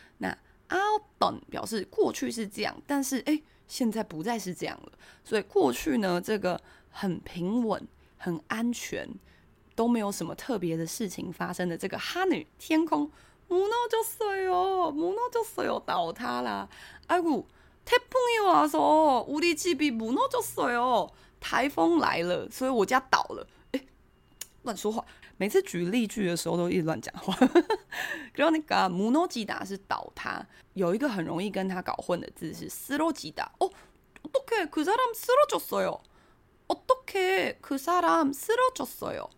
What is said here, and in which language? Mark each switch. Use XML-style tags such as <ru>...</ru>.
<zh>那아웃던表示过去是这样，但是哎，现在不再是这样了。所以过去呢，这个很平稳、很安全，都没有什么特别的事情发生的这个하늘，天空</zh> <ko>무너졌어요，무너졌어요，</ko> <zh>倒塌了。</zh> <ko>아이고태풍이와서우리집이무너졌어요，</ko> <zh>台风来了，所以我家倒了。哎，乱说话，每次举例句的时候都一直乱讲话。</zh> <ko>그러니까무너지다</ko> <zh>是倒塌，有一个很容易跟他搞混的字是쓰러지다。</zh> <ko>哦，어떻게그사람쓰러졌어요？ 어떻게그사람쓰러졌어요？</ko>